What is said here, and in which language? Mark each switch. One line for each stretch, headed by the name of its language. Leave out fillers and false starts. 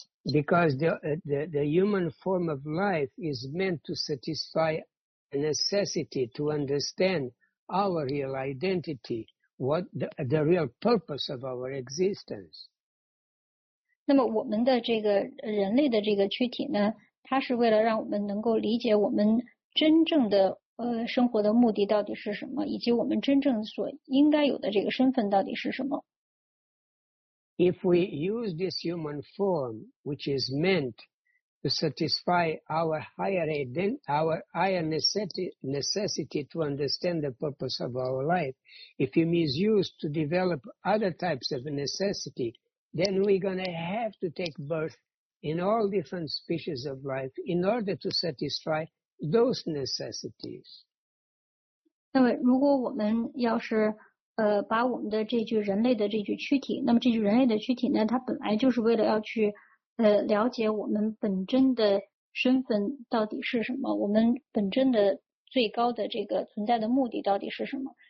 English: Because the human form of life is meant to satisfy. A necessity to understand our real identity, what the real purpose of our existence.
Chinese: 那么我们的这个人类的这个躯体呢，它是为了让我们能够理解我们真正的生活的目的到底是什么，以及我们真正所应该有的这个身份到底是什么。
English: If we use this human form, which is meant. To satisfy our higher necessity to understand the purpose of our life. If it is used to develop other types of necessity, then we're going to have to take birth in all different species of life in order to satisfy those necessities.
Chinese: 那么如果我们要是把我们的这具人类的这具躯体，那么这具人类的躯体呢，它本来就是为了要去了解我们本真的身份到底是什么，我们本真的最高的这个存在的目的到底是什么。